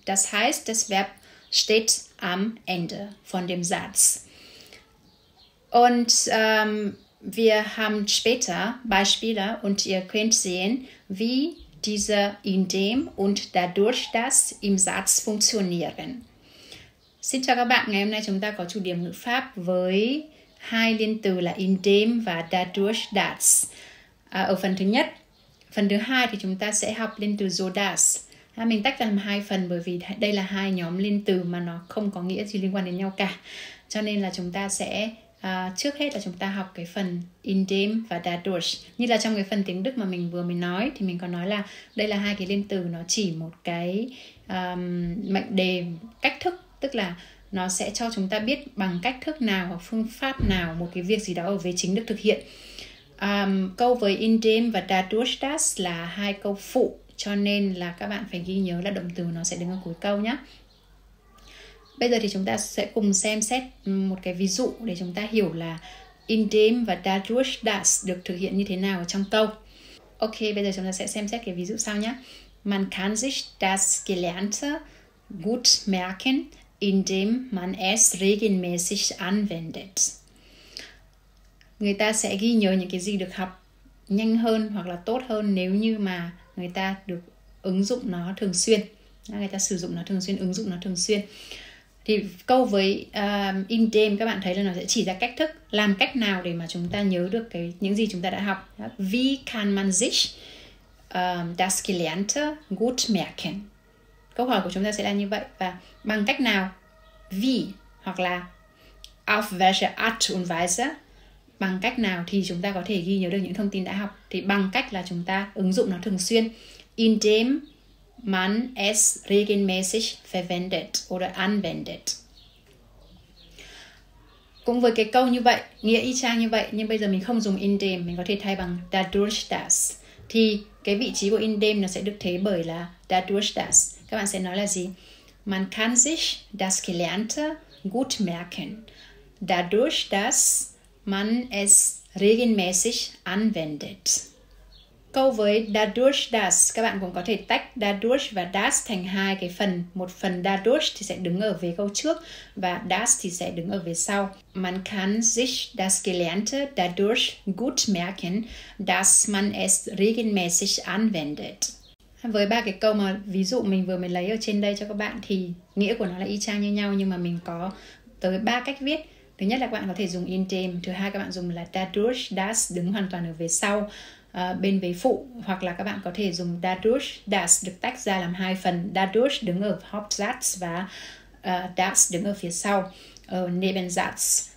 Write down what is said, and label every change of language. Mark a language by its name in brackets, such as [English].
[German] Das heißt, das Verb steht am Ende von dem Satz. Und wir haben später Beispiele und ihr könnt sehen, wie diese in dem und dadurch das im Satz funktionieren. [Vietnamese] Xin chào các bạn, ngày hôm nay chúng ta có chủ điểm ngữ pháp với hai liên từ là in dem và dadurch das. Ở phần thứ nhất, phần thứ hai thì chúng ta sẽ học liên từ so das. Mình tách làm hai phần bởi vì đây là hai nhóm liên từ mà nó không có nghĩa gì liên quan đến nhau cả. Cho nên là chúng ta sẽ trước hết là chúng ta học cái phần in dem và dadurch. Như là trong cái phần tiếng Đức mà mình vừa mới nói thì mình có nói là đây là hai cái liên từ, nó chỉ một cái mệnh đề cách thức, tức là nó sẽ cho chúng ta biết bằng cách thức nào hoặc phương pháp nào một cái việc gì đó ở về chính được thực hiện. Câu với in dem và dadurch das là hai câu phụ, cho nên là các bạn phải ghi nhớ là động từ nó sẽ đứng ở cuối câu nhé. Bây giờ thì chúng ta sẽ cùng xem xét một cái ví dụ để chúng ta hiểu là in dem và dadurch das được thực hiện như thế nào trong câu. Ok, bây giờ chúng ta sẽ xem xét cái ví dụ sau nhé. [German] Man kann sich das Gelernte gut merken, indem man es regelmäßig anwendet. [Vietnamese] Người ta sẽ ghi nhớ những cái gì được học nhanh hơn hoặc là tốt hơn nếu như mà người ta được ứng dụng nó thường xuyên. Người ta sử dụng nó thường xuyên, ứng dụng nó thường xuyên. Thì câu với indem các bạn thấy là nó sẽ chỉ ra cách thức, làm cách nào để mà chúng ta nhớ được cái những gì chúng ta đã học. [German] Wie kann man sich das Gelernte gut merken? [Vietnamese] Câu hỏi của chúng ta sẽ là như vậy. Và bằng cách nào? Wie? [German] Hoặc là auf welche Art und Weise? [Vietnamese] Bằng cách nào thì chúng ta có thể ghi nhớ được những thông tin đã học? Thì bằng cách là chúng ta ứng dụng nó thường xuyên. [German] Indem man es regelmäßig verwendet oder anwendet. [Vietnamese] Cũng với cái câu như vậy, nghĩa y chang như vậy, nhưng bây giờ mình không dùng indem, mình có thể thay bằng dadurch das. Thì cái vị trí của indem nó sẽ được thế bởi là dadurch das. Các bạn sẽ nói là gì? [German] Man kann sich das Gelernte gut merken, dadurch, dass man es regelmäßig anwendet. [Vietnamese] Câu với dadurch, dass, các bạn cũng có thể tách dadurch và das thành hai cái phần. Một phần dadurch thì sẽ đứng ở về câu trước và das thì sẽ đứng ở về sau. [German] Man kann sich das Gelernte dadurch gut merken, dass man es regelmäßig anwendet. [Vietnamese] Với ba cái câu mà ví dụ mình vừa mới lấy ở trên đây cho các bạn thì nghĩa của nó là y chang như nhau, nhưng mà mình có tới ba cách viết. Thứ nhất là các bạn có thể dùng indem, thứ hai các bạn dùng là dadurch das đứng hoàn toàn ở về sau bên vế phụ, hoặc là các bạn có thể dùng dadurch das được tách ra làm hai phần, dadurch đứng ở Hauptsatz và das đứng ở phía sau ở Nebensatz.